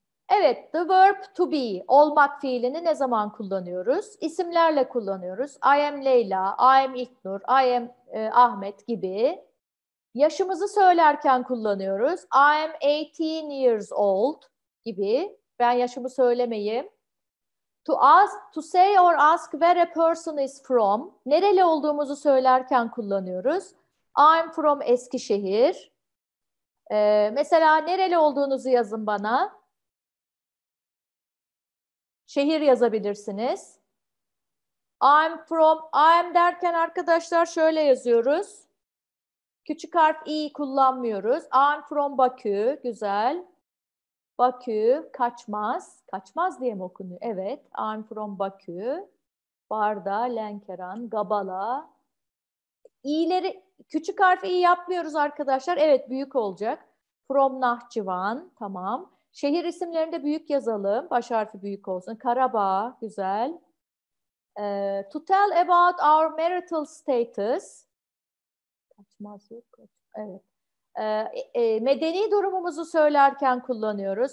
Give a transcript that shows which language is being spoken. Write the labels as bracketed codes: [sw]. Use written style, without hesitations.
[tr] Evet, [en] the verb to be, [tr] olmak fiilini ne zaman kullanıyoruz? İsimlerle kullanıyoruz. [en] I am Leyla, I am İlknur, I am Ahmet [tr] gibi. Yaşımızı söylerken kullanıyoruz. [en] I am 18 years old [tr] gibi. Ben yaşımı söylemeyeyim. [en] To ask, to say or ask where a person is from. [tr] Nereli olduğumuzu söylerken kullanıyoruz. [en] I'm from Eskişehir. [tr] Mesela nereli olduğunuzu yazın bana. Şehir yazabilirsiniz. I'm from, I'm derken arkadaşlar şöyle yazıyoruz. Küçük harf i kullanmıyoruz. [en] I'm from Bakü. [tr] Güzel. Bakü kaçmaz. Kaçmaz diye mi okunuyor? Evet. [en] I'm from Bakü. Barda, Lenkeran, Gabala. [tr] İ'leri, küçük harf i yapmıyoruz arkadaşlar. Evet, büyük olacak. From Nahçıvan. Tamam. Şehir isimlerinde büyük yazalım. Baş harfi büyük olsun. Karabağ. Güzel. [en] To tell about our marital status. [tr] Evet. Medeni durumumuzu söylerken kullanıyoruz.